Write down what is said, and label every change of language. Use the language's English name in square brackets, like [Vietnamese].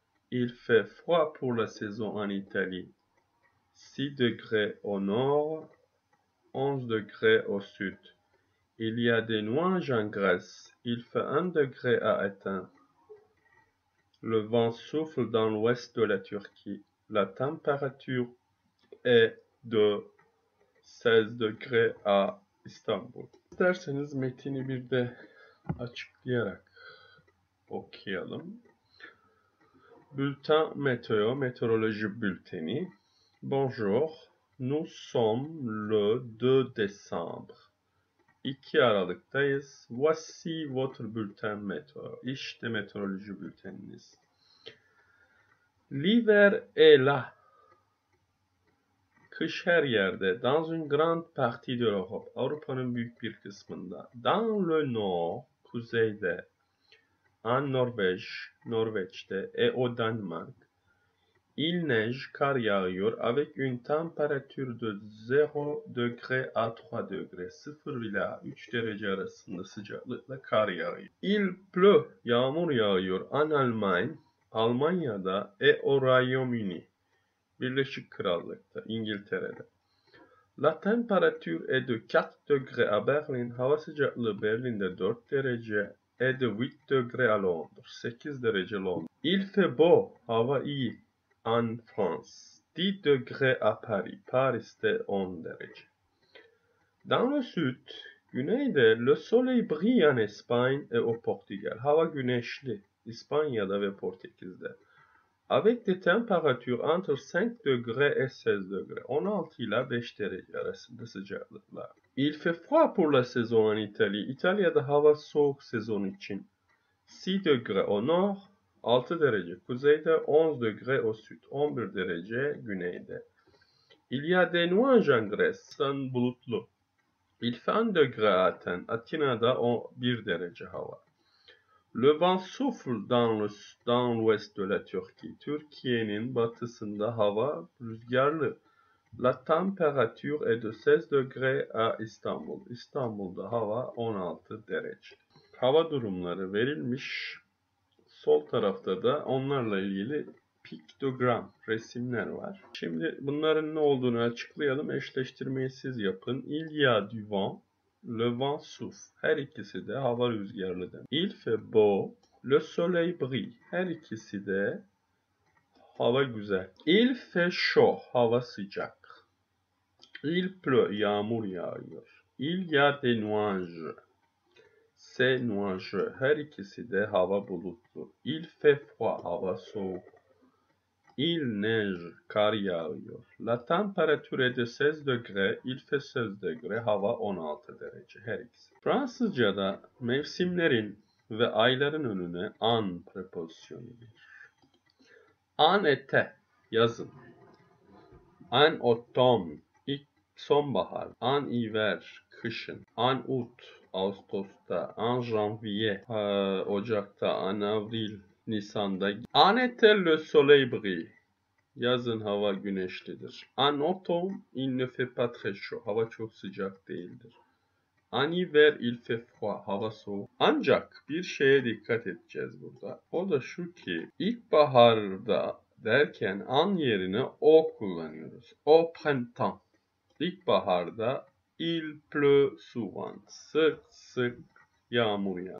[French] Il fait froid pour la saison en Italie, 6 degrés au nord, 11 degrés au sud. Il y a des nuages en Grèce. Il fait 1 degré à Athènes. Le vent souffle dans l'ouest de la Turquie. La température est de 16 degrés à İstanbul. [Turkish] İsterseniz metini bir de açıklayarak okuyalım. Bülten Meteo, meteoroloji bülteni. [French] Bonjour, nous sommes le 2 décembre. [Turkish] 2 Aralık'tayız. [French] Voici votre bulletin météo. [Turkish] İşte meteoroloji bülteniniz. [French] L'hiver est là. [Turkish] Kış her yerde. [French] Dans une grande partie de l'Europe. [Turkish] Avrupa'nın büyük bir kısmında. [French] Dans le nord, [Turkish] kuzeyde. [French] En Norvège, [Turkish] Norveç'te. [French] Et au Danemark. Il neige, [Turkish] kar yağıyor. [French] Avec une température de 0 degré à 3 degré. [Turkish] 0 ila 3 derece arasında sıcaklıkla kar yağıyor. [French] Il pleut, [Turkish] yağmur yağıyor. [French] En Allemagne, [Turkish] Almanya'da. [French] Et au Royaume-Uni. [Turkish] Birleşik Krallık'ta, İngiltere'de. [French] La température est de 4 degrés à Berlin. [Turkish] Hava sıcaklığı Berlin'de 4 derece. [French] Et de 8 degrés à Londres. [Turkish] 8 derece Londra. [French] Il fait beau. [Turkish] Hava iyi. [French] En France. 10 degrés à Paris. [Turkish] Paris'te 10 derece. [French] Dans le sud, [Turkish] güneyde, [French] le soleil brille en Espagne et au Portugal. [Turkish] Hava güneşli. İspanya'da ve Portekiz'de. [French] Avec des températures entre 5 degrés et 16 degrés. [Turkish] 16 ila 5 derece arasında sıcaklıklar. [French] Il fait froid pour la saison en Italie. [Turkish] İtalya'da hava soğuk sezon için. [French] 6 degrés au nord, [Turkish] 6 derece kuzeyde, [French] 11 degrés au sud, [Turkish] 11 derece güneyde. [French] Il y a des nuages en Grèce, [Turkish] sen bulutlu. [French] Il fait 1 degré à Athènes, [Turkish] Atina'da 1 derece hava. [French] Le vent souffle dans l'ouest de la Turquie. [Turkish] Türkiye'nin batısında hava rüzgarlı. [French] La température est de 16 degrés à Istanbul. [Turkish] İstanbul'da hava 16 derece. Hava durumları verilmiş. Sol tarafta da onlarla ilgili piktogram resimler var. Şimdi bunların ne olduğunu açıklayalım. Eşleştirmeyi siz yapın. [French] Il y a du vent. Le vent souffle. [Turkish] Her ikisi de hava rüzgarlı demek. [French] Il fait beau. Le soleil brille. [Turkish] Her ikisi de hava güzel. [French] Il fait chaud. [Turkish] Hava sıcak. [French] Il pleut. [Turkish] Yağmur yağıyor. [French] Il y a des nuages. C'est nuageux. [Turkish] Her ikisi de hava bulutlu. [French] Il fait froid. [Turkish] Hava soğuk. [French] Il neige, [Turkish] kar yağıyor. [French] La température est de 16 degrés, il fait 16 degrés, [Turkish] hava 16 derece, her ikisi. Fransızca'da mevsimlerin ve ayların önüne en preposyonu bir. [French] En été, [Turkish] yazın. [French] En automne, [Turkish] ilk sonbahar. [French] En hiver, [Turkish] kışın. [French] En août, [Turkish] ağustosta. [French] En janvier, [Turkish] ocakta. [French] En avril, [Turkish] Nisan'da. [French] En été le soleil brille. [Turkish] Yazın hava güneşlidir. [French] En automne il ne fait pas très chaud. [Turkish] Hava çok sıcak değildir. [French] En hiver il fait froid. [Turkish] Hava soğuk. Ancak bir şeye dikkat edeceğiz burada. O da şu ki ilkbaharda derken en yerine o kullanıyoruz. [French] Au printemps. [Turkish] İlkbaharda [French] il pleut souvent. [Turkish] Sık sık yağmur ya.